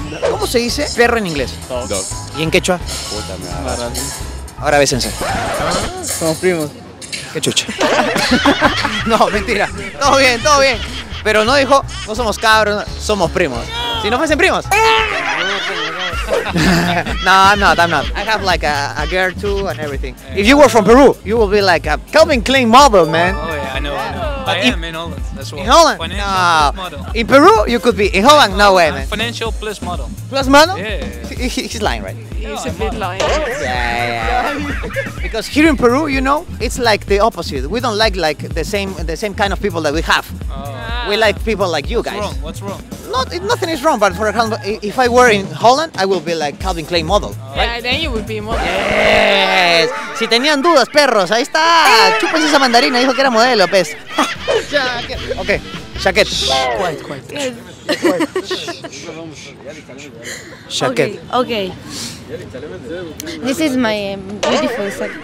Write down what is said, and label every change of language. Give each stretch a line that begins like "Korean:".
Spanish: ¿Cómo se dice perro en inglés?
English: Dog.
Spanish: ¿Y en quechua? Puta, me Ahora bésense. Somos primos. Qué chucha. No, mentira. Todo bien, todo bien. Pero no dijo, no somos cabros, somos primos. Si no fuesen primos.
English: No, I'm not. I have like a girl too and everything. If you were from Peru, you would be like a Calvin Klein model, man. Oh yeah, I know. But I am in Holland, that's what. In Holland? Financial plus model. In Peru, you could be. In Holland, no way, man. Financial plus model. Plus model? Yeah. He's lying, right? He's a bit lying. Yeah. Because here in Peru, you know, it's like the opposite. We don't like the same kind of people that we have. We like people like you guys. What's wrong? Nothing is wrong, but for example, if I were in Holland, I would be like Calvin Klein model. Right? Yeah, then you would be model.
Spanish: Yes! Si tenían dudas, perros, ahí está! Chúpense esa mandarina, dijo que era modelo, pez.
English: Okay, Shaquet. Quiet. Shaquet. Okay. This is my beautiful Shaquet.